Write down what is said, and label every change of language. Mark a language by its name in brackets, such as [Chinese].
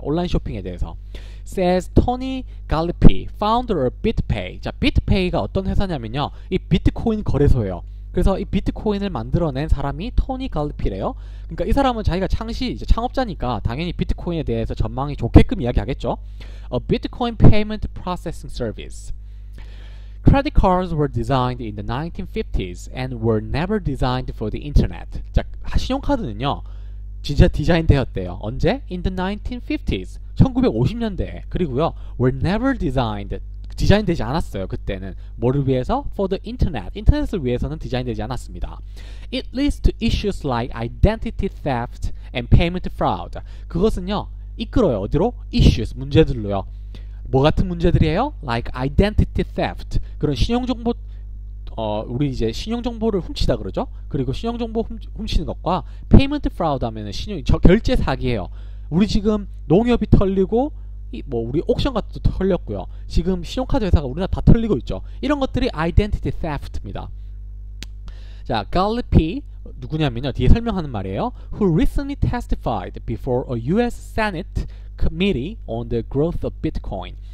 [Korean] 온라인 쇼핑에 대해서. [English] Says Tony Galipi, founder of BitPay. [Korean] 자, BitPay가 어떤 회사냐면요, 이 비트코인 거래소예요. 그래서 이 비트코인을 만들어낸 사람이 토니 갈리피래요. 그러니까 이 사람은 자기가 이제 창업자니까 당연히 비트코인에 대해서 전망이 좋게끔 이야기하겠죠. [English] A Bitcoin payment processing service. Credit cards were designed in the 1950s and were never designed for the internet. [Korean] 자, 신용카드는요, 진짜 디자인되었대요. 언제? [English] In the 1950s, [Korean] 1950년대에. 그리고요, [English] were never designed, [Korean] 디자인되지 않았어요, 그때는. 뭐를 위해서? [English] For the internet. [Korean] 인터넷을 위해서는 디자인되지 않았습니다. [English] It leads to issues like identity theft and payment fraud. [Korean] 그것은요, 이끌어요. 어디로? [English] Issues, [Korean] 문제들로요. 뭐 같은 문제들이에요? [English] Like identity theft. [Korean] 그런 신용정보 우리 이제 신용정보를 훔치다 그러죠? 그리고 신용정보 훔치는 것과 페이먼트 프라우드 하면은 결제 사기예요. 우리 지금 농협이 털리고 뭐 우리 옥션 같은 것도 털렸고요. 지금 신용카드 회사가 우리나라 다 털리고 있죠. 이런 것들이 아이덴티티 세프트입니다. 자, 갈리피 누구냐면요. 뒤에 설명하는 말이에요. [English] Who recently testified before a US Senate committee on the growth of Bitcoin.